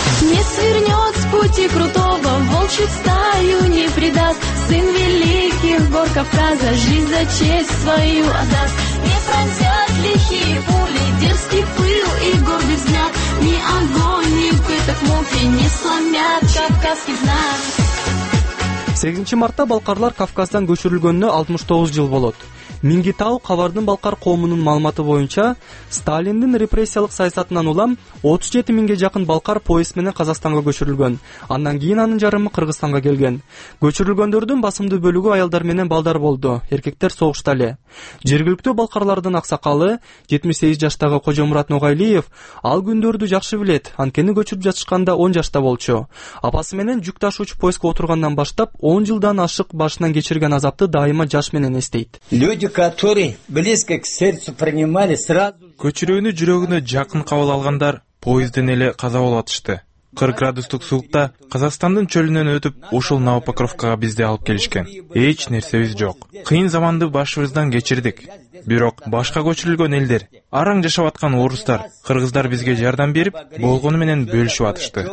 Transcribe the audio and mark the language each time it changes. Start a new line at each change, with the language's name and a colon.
Russian: Не свернет с пути крутого, волчью стаю не предаст. Сын великих гор Кавказа, жизнь за честь свою отдаст. Не пронзят лихие пули, дерзкий пыл и гордый взгляд. Ни огонь, ни пыток муки не сломят кавказский знак.
Kyrgyz: 8 мартта балкарлар Кавказдан көчүрүлгөнүнө 69 жыл болот. Мингитау Кабардын балкар коомунун маалыматы боюнча, Сталиндин репрессиялык саясатынан улам 37 миңге жакын балкар поезд менен Казакстанга көчүрүлгөн. Андан кийин анын жарымы Кыргызстанга келген. Көчүрүлгөндөрдүн басымдуу бөлүгү аялдар менен балдар болду. Эркектер согушта эле. Жергиликтүү балкарлардын аксакалы 78 жаштагы Кожомурат Ногайлиев ал күндөрдү жакшы билет. Анткени көчүрүп жатышканда 10 жашта болчу. Апасы менен жүк ташуучу поездке отургандан баштап 10 жылдан ашык башынан кечирген азапты дайыма жаш менен эстейт.
Russian: Люди, которые близко к сердцу принимали, сразу...
Kyrgyz: Көчүрүүнү жүрөгүнө жакын кабыл алгандар поезддин эле каза болуп атышты. 40 градустук суукта Казакстандын чөлүнөн өтүп ушул Новопокровкага бизди алып келишкен. Эч нерсебиз жок. Кыйын заманды башыбыздан кечирдик. Бирок башка көчүрүлгөн элдер, араң жашап аткан орустар, кыргыздар бизге жардам берип, болгону менен бөлүшүп атышты.